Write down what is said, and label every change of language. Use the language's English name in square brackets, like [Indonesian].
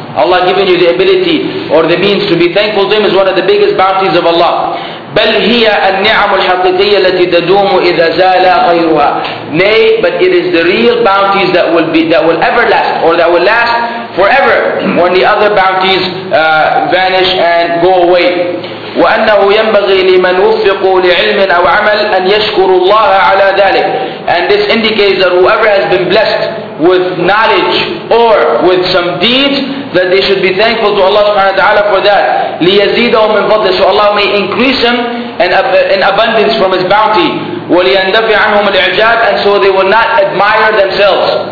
[English] Allah giving you the ability or the means to be thankful to Him is one of the biggest bounties of Allah. [Arabic] بل هي النعم الحقيقية التي تدوم إذا زال غيرها. [English] Nay, but it is the real bounties that will be, that will ever last, or that will last forever when the other bounties vanish and go away. [Arabic] وأنه ينبغي لمن وفق لعلم أو عمل أن يشكر الله على ذلك. [English] And this indicates that whoever has been blessed with knowledge or with some deeds, that they should be thankful to Allah subhanahu wa ta'ala for that. [Arabic] لِيَزِيدَهُمْ مِنْ فَضْلِهِ, [English] so Allah may increase him in abundance from his bounty. [Arabic] وَلِيَنْدَفِ عَنْهُمْ الْإِعْجَابِ, [English] and so they will not admire themselves.